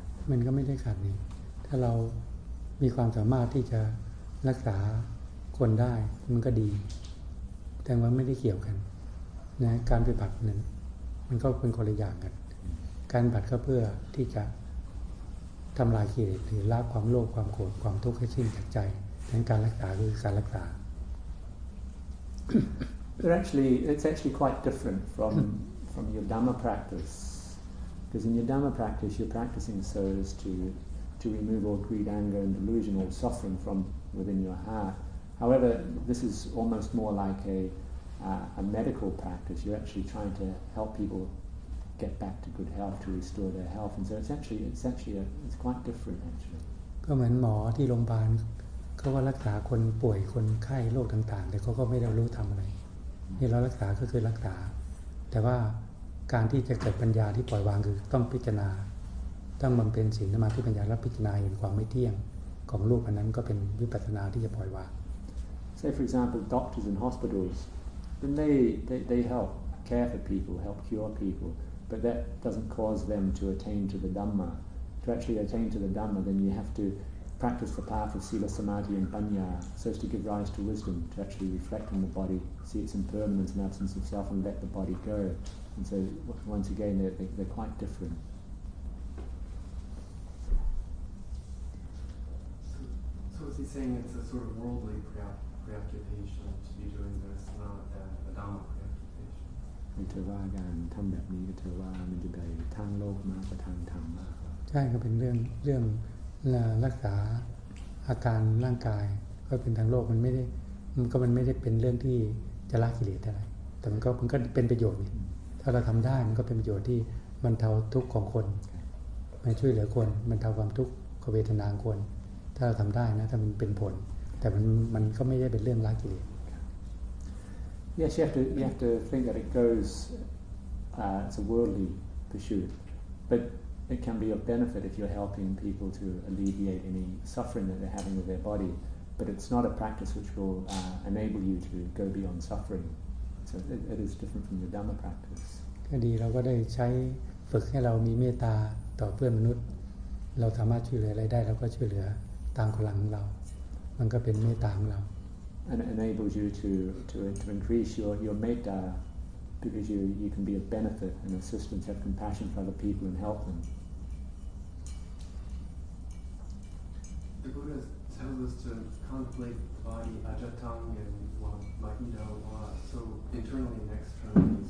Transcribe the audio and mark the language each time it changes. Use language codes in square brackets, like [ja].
[th] มันก็ไม่ได้ขัดนี่ถ้าเรามีความสามารถที่จะรักษาคนได้มันก็ดีแต่ว่าไม่ได้เกี่ยวกันนะการปฏิบัตินั้นมันก็เป็นคนละอย่างกันการปฏิบัติก็เพื่อที่จะทำลายกิเลสหรือละความโลภความโกรธความทุกข์ให้สิ้นจากใจการรักษาคือการรักษา [en] But actually, it's actually quite different from your Dhamma practice. Because in your Dhamma practice, you're practicing so as to remove all greed, anger, and delusion, all suffering from within your heart. However, this is almost more like a medical practice. You're actually trying to help people get back to good health, to restore their health. And so it's quite different, actually. [th] ก็เหมือนหมอที่โรงพยาบาลเขาก็รักษาคนป่วยคนไข้โรคต่างๆแต่เขาก็ไม่ได้รู้ทำอะไรนี่เรารักษาก็คือรักษาแต่ว่าการที่จะเกิดปัญญาที่ปล่อยวางคือต้องพิจารณาต้องบำเพ็ญศีลสมาธิปัญญาแล้วพิจารณาเห็นความไม่เที่ยงของรูปอันนั้นก็เป็นวิปัสสนาที่จะปล่อยวาง [en] Say for example doctors in hospitals then they help care for people help cure people but that doesn't cause them to attain to the Dhamma to actually attain to the Dhamma then you have toPractice the path of sila, samadhi, and panya, so as to give rise to wisdom, to actually reflect on the body, see its impermanence and absence of self, and let the body go. And so, once again, they're quite different. So is he saying it's a sort of worldly preoccupation to be doing this, not a Dhamma preoccupation? [th] ในเทวากันทำแบบนี้ก็เทวามันจะไปทางโลกมากกว่าทางธรรมมาก ใช่ก็เป็นเรื่องรักษาอาการร่างกายก็เป็นทางโลกมันไม่ได้เป็นเรื่องที่จะละกิเลสอะไรแต่มันก็เป็นประโยชน์นี่ถ้าเราทำได้มันก็เป็นประโยชน์ที่บรรเทาทุกข์ของคนมันช่วยเหลือคนบรรเทาความทุกข์เวทนาคนถ้าเราทำได้นะถ้ามันเป็นผลแต่มันก็ไม่ได้เป็นเรื่องละกิเลส [en] Yes you have to think that it goes it's a worldly pursuit butIt can be of benefit if you're helping people to alleviate any suffering that they're having with their body. But it's not a practice which will enable you to go beyond suffering. So it is different from the Dhamma practice. [th] ก็ดีเราก็ได้ใช้ฝึกให้เรามีเมตตาต่อเพื่อนมนุษย์เราสามารถช่วยเหลืออะไรได้เราก็ช่วยเหลือตามกำลังของเรามันก็เป็นเมตตาของเรา [en] And it enables you to increase your metta because you can be of benefit and assistance, have compassion for other people and help them. The Buddha tells us to contemplate body ajatam and mahina so internally and externally.